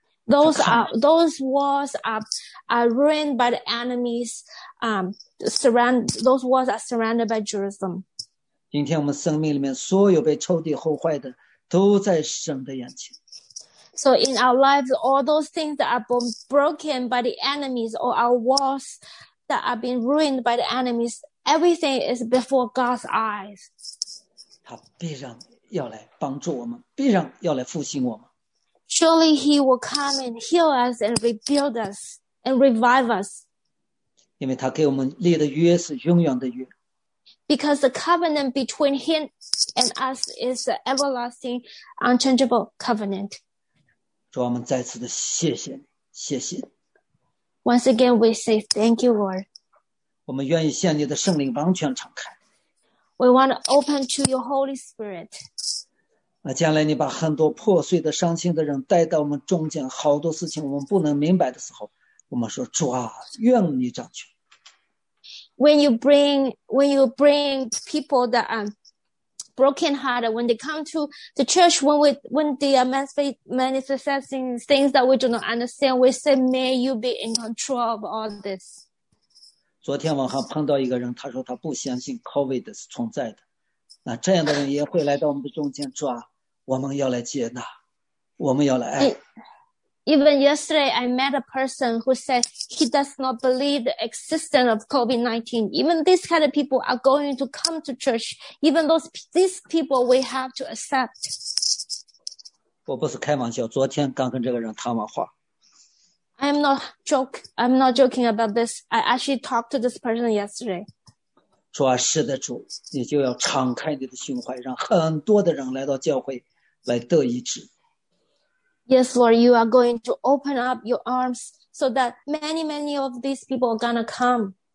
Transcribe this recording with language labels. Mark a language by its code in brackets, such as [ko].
[en] Those walls are ruined by the enemies. Those walls are surrounded by Jerusalem. [zh] 今天我们生命里面所有被仇敌毁坏的，都在神的眼前。 [en] So in our lives, all those things that are broken by the enemies, or our walls that are being ruined by the enemies, everything is before God's eyes. [zh] 他必然。要来帮助我们，必然要来复兴我们。 [en] Surely He will come and heal us and rebuild us and revive us. [zh] 因为他给我们立的约是永远的约。 [en] Because the covenant between him and us is an everlasting, unchangeable covenant. [zh] 主，我们再次的谢谢你，谢谢你。 [en] Once again, we say thank you, Lord. [zh] 我们愿意向你的圣灵完全敞开。 [en] We want to open to your Holy Spirit. [zh] 那将来你把很多破碎的、伤心的人带到我们中间，好多事情我们不能明白的时候，我们说：“主啊，愿你掌权。” [en] When you bring people that are broken hearted, when they come to the church, when they are manifesting things that we do not understand, we say, "May you be in control of all this." [zh] 昨天晚上碰到一个人，他说他不相信 COVID 是存在的。那这样的人也会来到我们的中间抓，我们要来接纳，我们要来爱。 [en] Even yesterday, I met a person who said he does not believe the existence of COVID-19. Even these kind of people are going to come to church. Even these people, we have to accept. [zh] 我不是开玩笑，昨天刚跟这个人谈完话。 [en] I'm not joking about this. I actually talked to this person yesterday. [zh] 主啊，是的，主，你就要敞开你的胸怀，让很多的人来到教会来得医治。 [en] Yes, Lord, you are going to open up your arms so that many, many of these people are going to come.